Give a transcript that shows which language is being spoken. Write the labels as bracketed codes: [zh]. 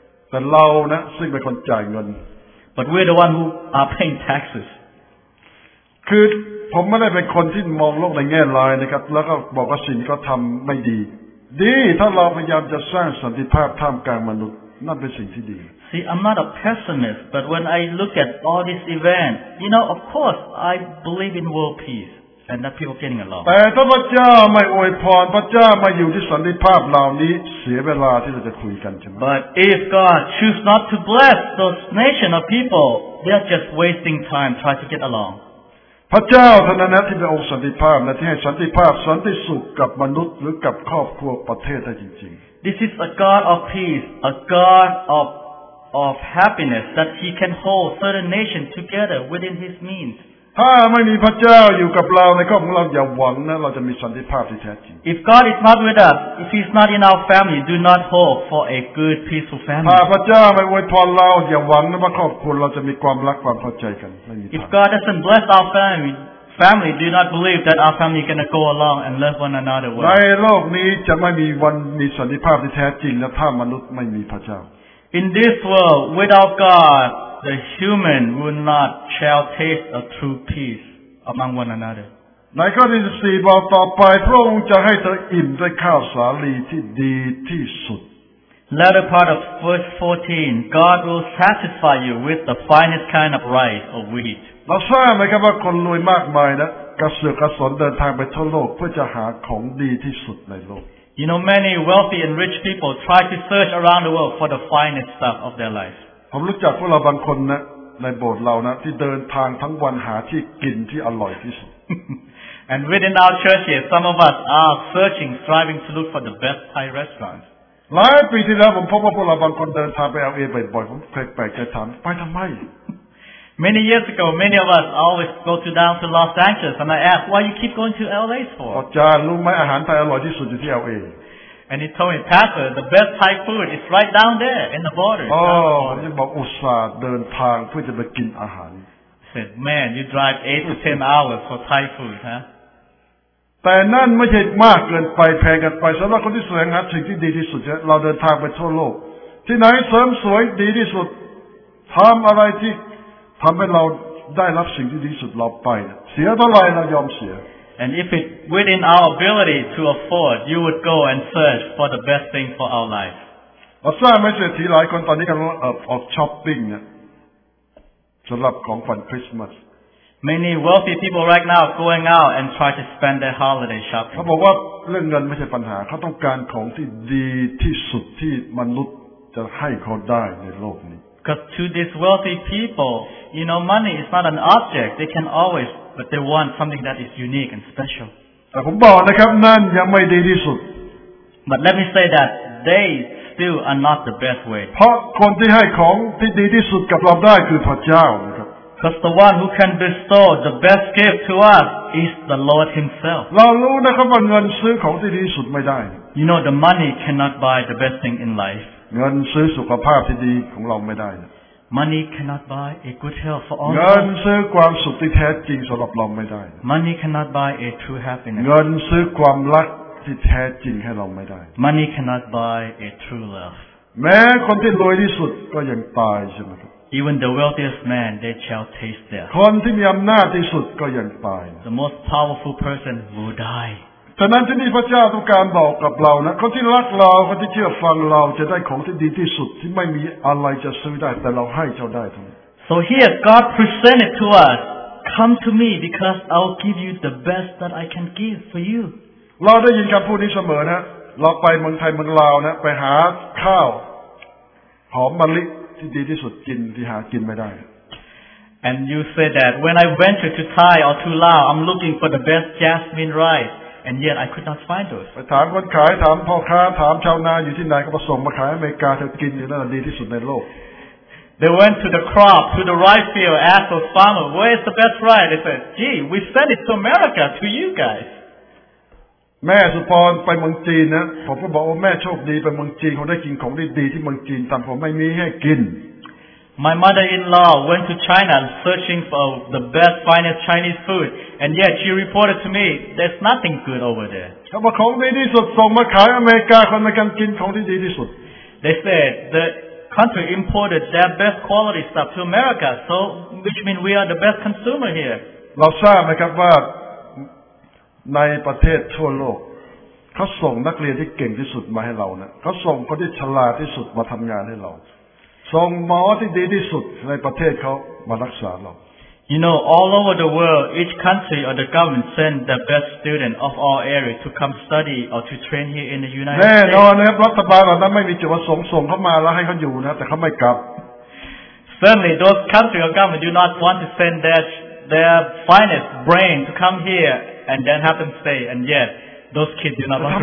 [th] แต่เรานะซึ่งเป็นคนจ่ายเงิน [en] But we're the one who are paying taxes. [th] คือผมไม่ได้เป็นคนที่มองโลกในแง่ร้ายนะครับแล้วก็บอกว่าสิ่งก็ทำไม่ดีดีถ้าเราพยายามจะสร้างสันติภาพท่ามกลางมนุษย์นั่นเป็นสิ่งที่ดี [en] See, I'm not a pessimist, but when I look at all these events, you know, of course, I believe in world peace and that people getting along. [th] แต่ถ้าพระเจ้าไม่อวยพรพระเจ้ามาอยู่ที่สันติภาพเหล่านี้เสียเวลาที่เราจะคุยกันใช่ไหม [en] But if God choose not to bless those nation of people, they are just wasting time trying to get along. [th] พระเจ้าท่านนั้นที่เป็นองค์สันติภาพและที่ให้สันติภาพสันติสุขกับมนุษย์หรือกับครอบครัวประเทศได้จริง [en] ๆ This is a God of peace, a God of happiness that He can hold certain nations together within His means. [th] ถ้าไม่มีพระเจ้าอยู่กับเราในครอบครัวอย่าหวังนะเราจะมีสันติภาพที่แท้จริง [en] If God is not with us, if He is not in our family, do not hope for a good, peaceful family. [th] ถ้าพระเจ้าไม่อวยพรเราอย่าหวังนะว่าครอบครัวเราจะมีความรักความเข้าใจกันไม่มี [en] If God doesn't bless our family, do not believe that our family is going to go along and love one another well. [th] ในโลกนี้จะไม่มีวันมีสันติภาพที่แท้จริงถ้ามนุษย์ไม่มีพระเจ้า [en] In this world, without God,The human will not shall taste a true peace among one another. [th] ในข้อที่สี่บอกต่อไปพระองค์จะให้เธออิ่มด้วยข้าวสาลีที่ดีที่สุด [en] Latter part of verse 14, God will satisfy you with the finest kind of rice or wheat. [th] เราทราบไหมครับว่าคนรวยมากมายนะกระเสือกกระสนเดินทางไปทั่วโลกเพื่อจะหาของดีที่สุดในโลก [en] You know, many wealthy and rich people try to search around the world for the finest stuff of their life. [th] ผมรู้จักพวกเราบางคนนะในโบสถ์เรานะที่เดินทางทั้งวันหาที่กินที่อร่อยที่สุด [en] And within our churches, some of us are searching, striving to look for the best Thai restaurants. [th] หลายปีที่แล้วผมพบว่าพวกเราบางคนเดินทางไปLAบ่อยๆผมแปลกๆจะถามไปทำไม [en] Many years ago, many of us always go to down to Los Angeles, and I ask, why you keep going to LA for? [th] อาจารย์รู้ไหมอาหารไทยอร่อยที่สุดอยู่ที่LA [en] And he told me, Pastor, the best Thai food is right down there in the border. Oh, he said, [th] "อุตส่าห์เดินทางเพื่อจะไปกินอาหาร." [en] I said, "Man, you drive 8 to 10 hours for Thai food, huh?" [th] แต่นั่นไม่ใช่มากเกินไปแพงเกินไปสำหรับคนที่แสวงหาสิ่งที่ดีที่สุดเราเดินทางไปทั่วโลกที่ไหนเสริมสวยดีที่สุดทำอะไรที่ทำให้เราได้รับสิ่งที่ดีที่สุดเราไปเสียเท่าไหร่เรายอมเสีย [en] And if it within our ability to afford, you would go and search for the best thing for our life. I saw a message that a lot of people are going out shopping for Christmas. Many wealthy people right now are going out and try to spend their holiday shopping. He said that money is not a problem. They want the best thing that human beings can give them. Because to these wealthy people, you know, money is not an object. They can always. But they want something that is unique and special. [th] แต่ผมบอกนะครับนั่นยังไม่ดีที่สุด [en] But let me say that they still are not the best way. [th] เพราะคนที่ให้ของที่ดีที่สุดกับเราได้คือพระเจ้านะครับ [en] Because the one who can bestow the best gift to us is the Lord Himself. [th] เรารู้นะครับว่าเงินซื้อของที่ดีที่สุดไม่ได้ [en] You know the money cannot buy the best thing in life. [th] เงินซื้อสุขภาพที่ดีของเราไม่ได้ [en] Money cannot buy a good health for all. [th] เงินซื้อความสุขที่แท้จริงสำหรับเราไม่ได้ [en] Money cannot buy a true happiness. [th] เงินซื้อความรักที่แท้จริงให้เราไม่ได้ [en] Money cannot buy a true love. [th] แม้คนที่รวยที่สุดก็ยังตายใช่ไหมครับ [en] Even the wealthiest man, they shall taste death. [th] คนที่มีอำนาจที่สุดก็ยังตาย [en] The most powerful person will die. [th] ฉะนั้นที่นี่พระเจ้าต้องการบอกกับเรานะคนที่รักเราคนที่เชื่อฟังเราจะได้ของที่ดีที่สุดที่ไม่มีอะไรจะซื้อได้แต่เราให้เจ้าได้ทั้งนั้น [en] So here God presented to us come to me because I'll give you the best that I can give for you [th] เราได้ยินคำพูดนี้เสมอนะเราไปเมืองไทยเมืองลาวนะไปหาข้าวหอมมะลิที่ดีที่สุดกินที่หากินไม่ได้ [en] And you say that when I venture to Thai or to Lao I'm looking for the best jasmine riceAnd yet I could not find those. [th] ไปถามคนขายถามพ่อค้าถามชาวนาอยู่ที่ไหนก็ประสงค์มาขายอเมริกาจะกินอยู่นั่นดีที่สุดในโลก [en] They went to the crop, to the rice field, asked the farmer, "Where is the best rice?" They said, "Gee, we sent it to America to you guys." [th] แม่สุพรไปเมืองจีนนะผมก็บอกว่าแม่โชคดีไปเมืองจีนเขาได้กินของดีๆที่เมืองจีนแต่ผมไม่มีให้กิน [en] My mother-in-law went to China searching for the best, finest Chinese food. And yet she reported to me, there's nothing good over there. [th] ของดีที่สุดส่งมาขายอเมริกาคนมากันกินของดีที่สุด [en] They said, the country imported their best quality stuff to America, so which means we are the best consumer here. [th] เราทราบไหมครับว่าในประเทศทั่วโลกเขาส่งนักเรียนที่เก่งที่สุดมาให้เราเนี่ยเขาส่งคนที่ฉลาดที่สุดมาทำงานให้เราส่งหมอที่ดีที่สุดในประเทศเขามารักษาเรา [en] You know, all over the world, each country or the government send the best student of all areas to come study or to train here in the United States. [th] แน่นอนนะครับรัฐบาลเหล่านั้นไม่มีจุดประสงค์ส่งเขามาแล้วให้เขาอยู่นะแต่เขาไม่กลับ [en] Certainly, those countries or government do not want to send their finest brain to come here and then have them stay, and yet. Those kids do not want to return.